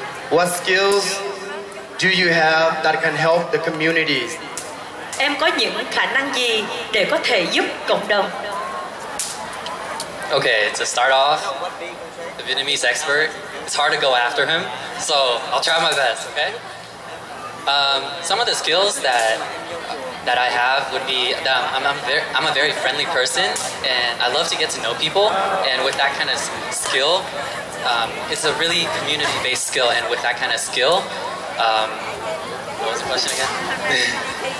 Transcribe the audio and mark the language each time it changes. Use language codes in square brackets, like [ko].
[en] What skills do you have that can help the community? [vi] Em có những khả năng gì để có thể giúp cộng đồng? [en] Okay, to start off, the Vietnamese expert, it's hard to go after him, so I'll try my best, okay? Some of the skills that I have would be that I'm a very friendly person, and I love to get to know people, and with that kind of skill, it's a really community-based skill, and with that kind of skill, what was the question again?